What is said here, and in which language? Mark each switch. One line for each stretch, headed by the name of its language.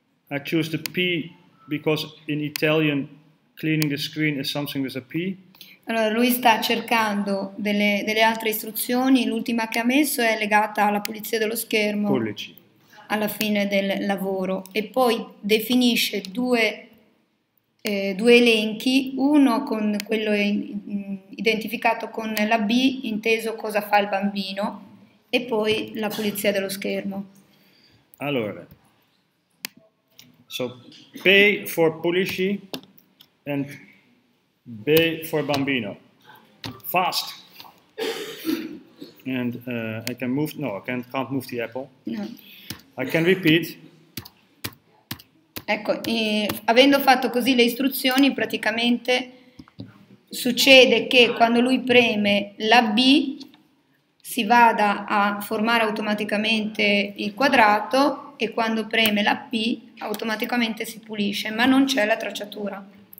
English: I choose the P because in Italian cleaning the screen is something with a P.
Italian: Allora lui sta cercando delle altre istruzioni. L'ultima che ha messo è legata alla pulizia dello schermo. Pulici. Alla fine del lavoro. E poi definisce due elenchi. Uno con quello identificato con la B, inteso cosa fa il bambino, e poi la pulizia dello schermo.
English: Allora, so pay for pulisci and pay for bambino. Fast. And I can move, no, I can't move the apple. No. I can repeat.
Italian: Ecco, avendo fatto così le istruzioni, praticamente succede che quando lui preme la B si vada a formare automaticamente il quadrato e quando preme la P automaticamente si pulisce, ma non c'è la tracciatura.